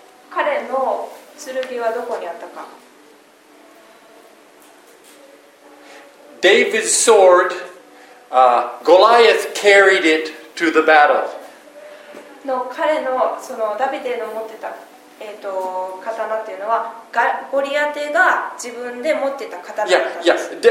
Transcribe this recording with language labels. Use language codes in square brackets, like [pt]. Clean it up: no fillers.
[ja] 彼の剣はどこにあったか。 [en] David's sword, Goliath carried it to the battle. [ja] の彼のそのダビデの持ってた刀っていうのはゴリアテが自分で持ってた刀だったんです。